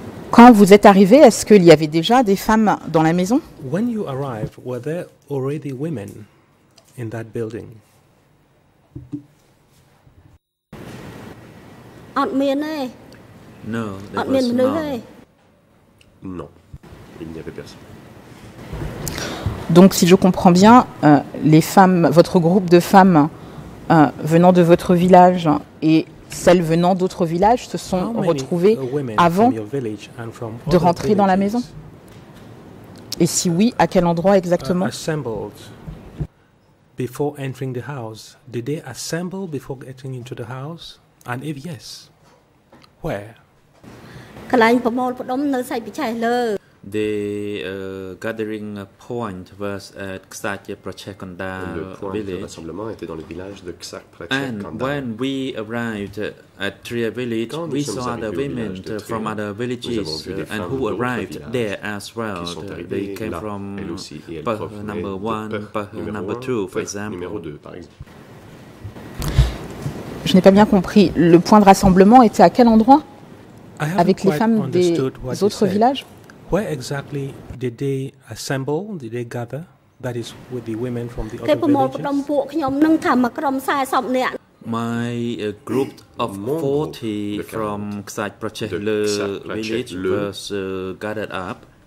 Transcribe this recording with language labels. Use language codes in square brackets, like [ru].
[fr] Quand vous êtes arrivé, est-ce qu'il y avait déjà des femmes dans la maison? [en] When you arrived, were there already women in that building? No, there was none. [fr] Non, il n'y avait personne. Donc, si je comprends bien, les femmes, votre groupe de femmes venant de votre village et celles venant d'autres villages se sont retrouvées avant de rentrer dans la maison. Et si oui, à quel endroit exactement? [en] Before entering the house, did they assemble before getting into the house? And if yes, where? The gathering point was at Ksak Prachekonda village. And when we arrived at Tria village, we saw the women from other villages and who arrived there as well. They came from number one, number two, for example. [fr] Je n'ai pas bien compris. Le point de rassemblement était à quel endroit? Avec les femmes des autres villages? [en] Where exactly did they assemble, did they gather? That is with the women from the other villages? My group of 40 from Ksak Prachek Le village was gathered up.